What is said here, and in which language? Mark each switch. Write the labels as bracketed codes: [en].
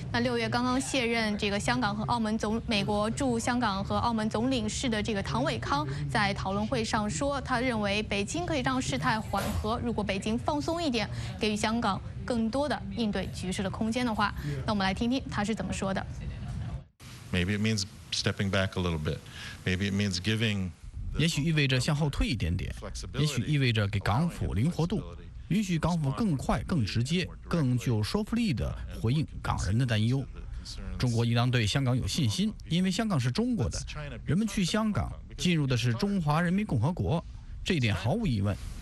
[zh] 那六月刚刚卸任这个香港和澳门总美国驻香港和澳门总领事的这个唐伟康在讨论会上说，他认为北京可以让事态缓和，如果北京放松一点，给予香港更多的应对局势的空间的话。那我们来听听他是怎么说的。 [en] Maybe it means stepping back a little bit. Maybe it means giving. [zh] 也许意味着向后退一点点，也许意味着给港府灵活度，允许港府更快、更直接、更具有说服力地回应港人的担忧。中国应当对香港有信心，因为香港是中国的，人们去香港进入的是中华人民共和国，这一点毫无疑问。